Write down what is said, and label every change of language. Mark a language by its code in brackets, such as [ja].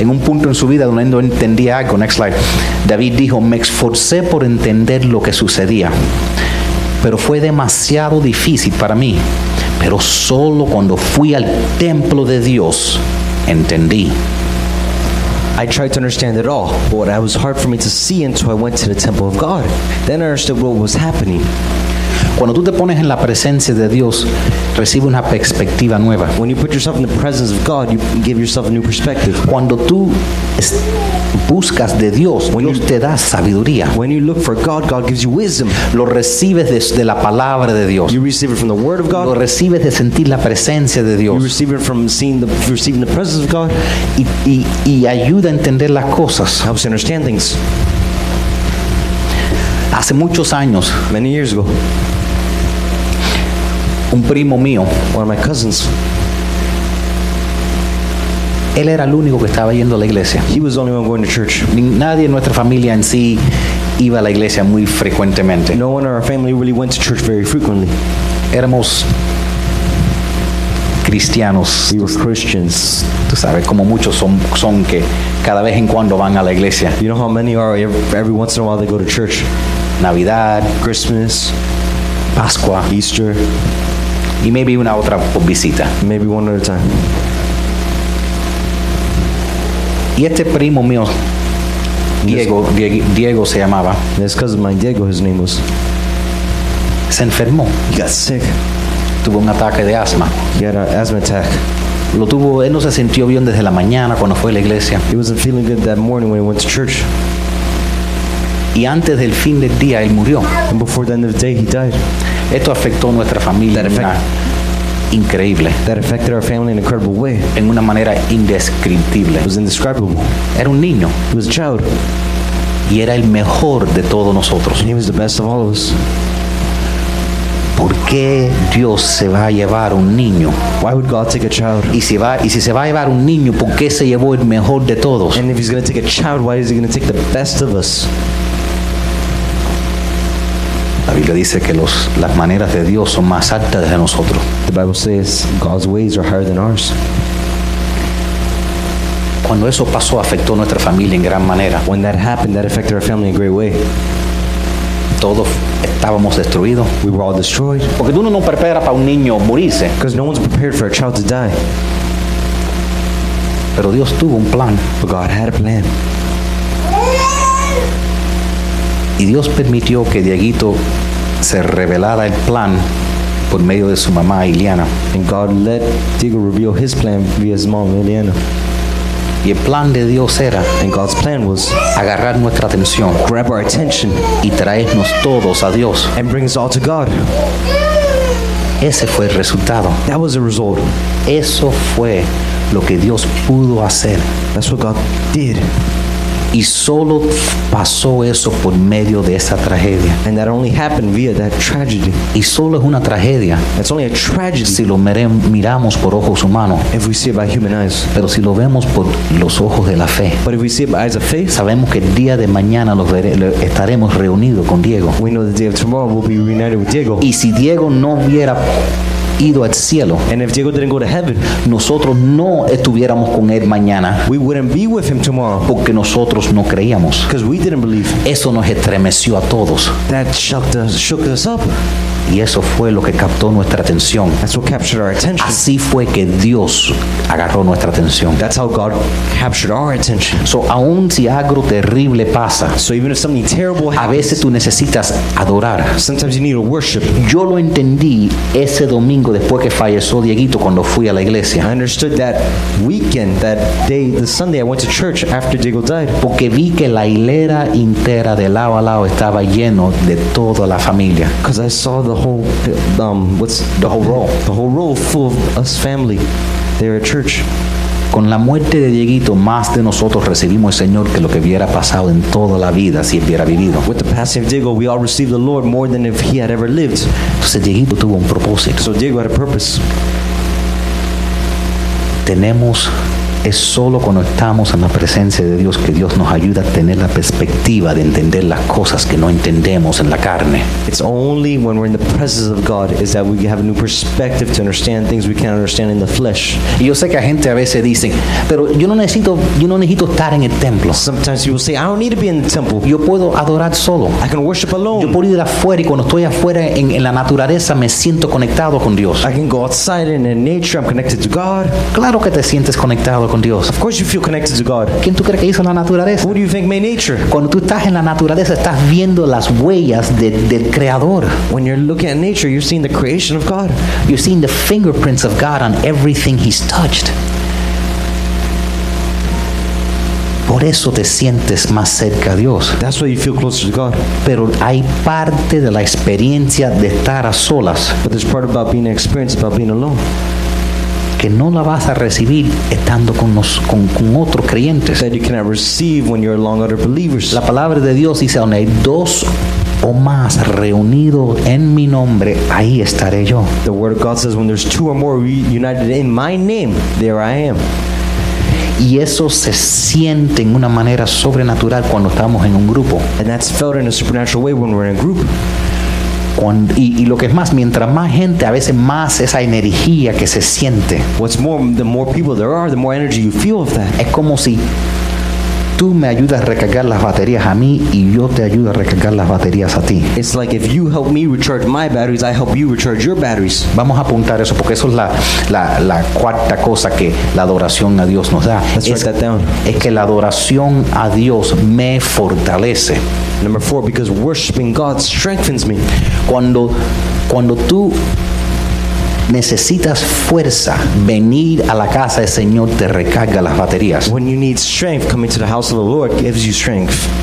[es] En un punto en su vida donde no entendía algo. [en] Next slide. [es] David dijo, me esforcé por entender lo que sucedía, pero fue demasiado difícil para mí. Pero solo cuando fui al templo de Dios, entendí. [en] I tried to understand it all, but what was hard for me to see until I went to the temple of God. Then I understood what was happening. [es] Cuando tú te pones en la presencia de Dios, recibe una perspectiva nueva. [en] When you put yourself in the presence of God, you give yourself a new perspective. [es] Cuando tú buscas de Dios, Dios te da sabiduría. [en] When you look for God, God gives you wisdom. [es] Lo recibes de la palabra de Dios. [en] You receive it from the word of God. [es] Lo recibes de sentir la presencia de Dios. [en] You receive it from seeing receiving the presence of God. [es] Y ayuda a entender las cosas. [en] Helps you understand things. [es] Hace muchos años, [en] many years ago, [es] un primo mío, [en] one of my cousins, [es] él era el único que estaba yendo a la iglesia. [en] He was the only one going to church. [es] Nadie en nuestra familia en sí iba a la iglesia muy frecuentemente. [en] No one in our family really went to church very frequently. [es] Éramos cristianos. [en] We were Christians. [es] Tú sabes, como muchos son que cada vez en cuando van a la iglesia. [en] You know how many are, every once in a while they go to church. [es] Navidad, [en] Christmas, [es] Pascua, [en] Easter, [es] y maybe una otra visita. [en] Maybe one other time. [es] Y este primo mío, Diego se llamaba. [en] This cousin of mine, Diego, his name was. [es] Se enfermó. [en] He got sick. [es] Tuvo un ataque de asma. [en] He had an asthma attack. [es] Lo tuvo, él no se sintió bien desde la mañana cuando fue a la iglesia. [en] He wasn't feeling good that morning when he went to church. [es] Y antes del fin del día, él murió. [en] And before the end of the day, he died. [es] Esto afectó nuestra familia en una increíble. [en] That affected our family in an incredible way. [es] En una manera indescriptible. [en] It was indescribable. [es] Era un niño. [en] He was a child. [es] Y era el mejor de todos nosotros. [en] And he was the best of all of us. [es] ¿Por qué Dios se va a llevar un niño? [en] Why would God take a child? [es] Y si se va a llevar un niño, ¿por qué se llevó el mejor de todos? [en] And if he's going to take a child, why is he going to take the best of us? [es] La Biblia dice que las maneras de Dios son más altas de nosotros. [en] The Bible says God's ways are higher than ours. [es] Cuando eso pasó, afectó nuestra familia en gran manera. [en] When that happened, that affected our family in a great way. [es] Todos estábamos destruidos. [en] We were all destroyed. [es] Porque uno no prepara para un niño morirse. [en] Because no one's prepared for a child to die. [es] Pero Dios tuvo un plan. [en] But God had a plan. [es] Y Dios permitió que Dieguito se revelara el plan por medio de su mamá, Ileana. [en] And God let Diego reveal his plan via his mom, Ileana. [es] Y el plan de Dios era, [en] and God's plan was, [es] agarrar nuestra atención, [en] grab our attention, [es] y traernos todos a Dios. [en] And bring us all to God. [es] Ese fue el resultado. [en] That was the result. [es] Eso fue lo que Dios pudo hacer. [en] That's what God did. [es] Y solo pasó eso por medio de esa tragedia. [en] And that only happened via that tragedy. [es] Y solo es una tragedia. [en] It's only a tragedy. [es] Si lo miramos por ojos humanos. [en] If we see it by human eyes. [es] Pero si lo vemos por los ojos de la fe. [en] But if we see it by eyes of faith. [es] Sabemos que el día de mañana estaremos reunidos con Diego. [en] We know the day of tomorrow we'll be reunited with Diego. [es] Y si Diego no hubiera ido al cielo, [en] and if Diego didn't go to heaven, [es] nosotros no estuviéramos con él mañana, [en] we wouldn't be with him tomorrow, [es] porque nosotros no creíamos, [en] because we didn't believe. [es] Eso nos estremeció a todos. [en] That shook us up. [es] Y eso fue lo que captó nuestra atención. [en] That's what captured our attention. [es] Así fue que Dios agarró nuestra atención. [en] That's how God captured our attention. [es] So, aun si algo terrible pasa, [en] so even if something terrible happens, [es] a veces tú necesitas adorar. [en] Sometimes you need to worship. [es] Yo lo entendí ese domingo después que falleció Dieguito cuando fui a la iglesia. [en] I understood that weekend, that day, the Sunday I went to church after Diego died. [es] Porque vi que la hilera entera de lado a lado estaba lleno de toda la familia. [en] Because I saw the whole, the whole row. The whole row full of us family there at church. [es] Con la muerte de Dieguito, más de nosotros recibimos el Señor que lo que hubiera pasado en toda la vida si hubiera vivido. [en] With the passing of Diego, we all received the Lord more than if he had ever lived. [es] Entonces Dieguito tuvo un propósito. [en] So Diego had a purpose. [es] Tenemos, es solo cuando estamos en la presencia de Dios que Dios nos ayuda a tener la perspectiva de entender las cosas que no entendemos en la carne. [en] It's only when we're in the presence of God is that we have a new perspective to understand things we can't understand in the flesh. [es] Y yo sé que la gente a veces dice, pero yo no necesito estar en el templo. [en] Sometimes people say, I don't need to be in the temple. [es] Yo puedo adorar solo. [en] I can worship alone. [es] Yo puedo ir afuera y cuando estoy afuera en la naturaleza me siento conectado con Dios. [en] I can go outside and in nature I'm connected to God. [es] Claro que te sientes conectado con Dios. [en] Of course you feel connected to God. [es] ¿Quién tú crees que hizo la naturaleza? [en] Who do you think made nature? [es] Cuando tú estás en la naturaleza, estás viendo las huellas del creador. [en] When you're looking at nature, you're seeing the creation of God. You're seeing the fingerprints of God on everything he's touched. [es] Por eso te sientes más cerca a Dios. [en] That's why you feel closer to God. [es] Pero hay parte de la experiencia de estar a solas. [en] But there's part about being an experience about being alone. [es] Que no la vas a recibir estando con otros creyentes. [en] That you cannot receive when you're along other believers. [es] La palabra de Dios dice, donde hay dos o más reunidos en mi nombre, ahí estaré yo. [en] The word of God says, when there's two or more united in my name, there I am. [es] Y eso se siente en una manera sobrenatural cuando estamos en un grupo. [en] And that's felt in a supernatural way when we're in a group. [es] Y lo que es más, mientras más gente, a veces más esa energía que se siente. [en] What's more, the more people there are, the more energy you feel of that. [es] Es como si tú me ayudas a recargar las baterías a mí y yo te ayudo a recargar las baterías a ti. [en] It's like if you help me recharge my batteries, I help you recharge your batteries. [es] Vamos a apuntar eso porque eso es la cuarta cosa que la adoración a Dios nos da. [en] Let's write that down. [es] Es que la adoración a Dios me fortalece. [en] Number four, because worshiping God strengthens me. [es] Cuando tú necesitas fuerza, venir a la casa del Señor te recarga las baterías. [en] When you need strength, coming to the house of the Lord gives you strength.